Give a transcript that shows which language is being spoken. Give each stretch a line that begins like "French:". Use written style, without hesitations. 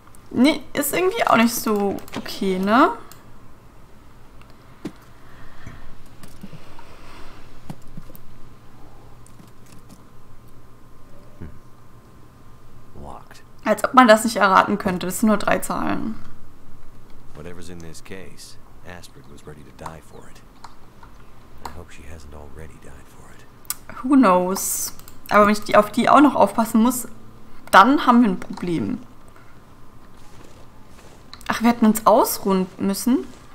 German: Nee, ist irgendwie auch nicht so okay, ne? Als ob man das nicht erraten könnte. Das sind nur drei Zahlen.
English: Whatever's in this case, Astrid was ready to die for it. I hope she hasn't already died for it. Who knows?
German: Aber wenn ich auf die auch noch aufpassen muss, dann haben wir ein Problem. Ach, wir hätten uns ausruhen müssen.